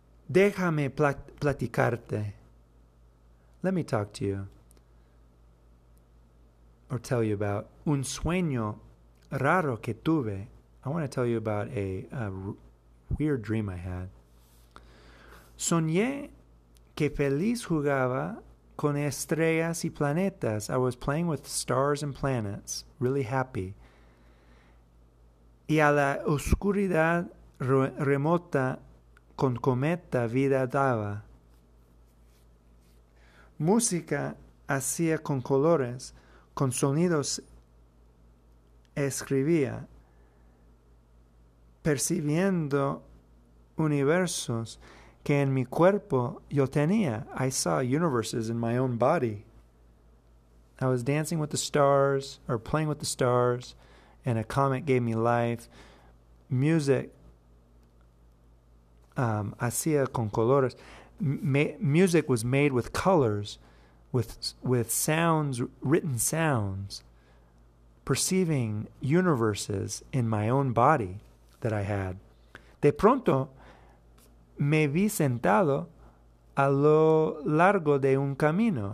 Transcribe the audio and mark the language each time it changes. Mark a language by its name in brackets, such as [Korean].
[Spanish] Déjame platicarte. [English] Let me talk to you. Or tell you about [Spanish] un sueño raro que tuve. [English] I want to tell you about a weird dream I had. [Spanish] Soñé que feliz jugaba con estrellas y planetas. [English] I was playing with stars and planets, really happy. [Spanish] Y a la oscuridad remota con cometa vida daba. Música hacía con colores, con sonidos escribía, percibiendo universos que en mi cuerpo yo tenía. [English] I saw universes in my own body. I was dancing with the stars, or playing with the stars, and a comet gave me life. [Spanish] Music, hacía con colores. [English] Music was made with colors, with sounds, written sounds, perceiving universes in my own body that I had. [Spanish] De pronto, me vi sentado a lo largo de un camino.